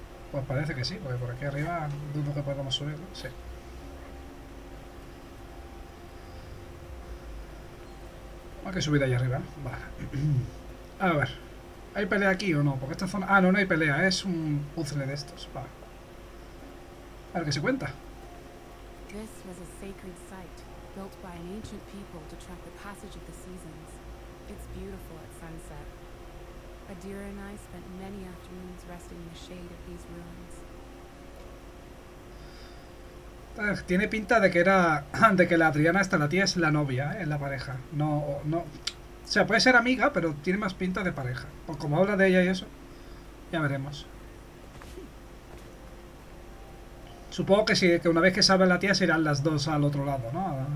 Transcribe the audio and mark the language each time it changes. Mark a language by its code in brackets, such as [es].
[es] Pues parece que sí, porque por aquí arriba dudo que podamos subir, ¿no? Sí. Hay que subir ahí arriba, ¿eh? Vale. A ver, ¿hay pelea aquí o no? Porque esta zona... ah, no, no hay pelea, es un puzzle de estos. Vale. A ver qué se cuenta. [en] This was a sacred site built by an ancient people to track the passage of the seasons. It's beautiful at sunset. Adira and I spent many afternoons resting in the shade of these ruins. [es] Tiene pinta de que era... de que la Adriana esta, la tía, es la novia, ¿eh? La pareja. No, no... o sea, puede ser amiga, pero tiene más pinta de pareja. Pues como habla de ella y eso, ya veremos. Supongo que sí, que una vez que salga la tía, se irán las dos al otro lado, ¿no?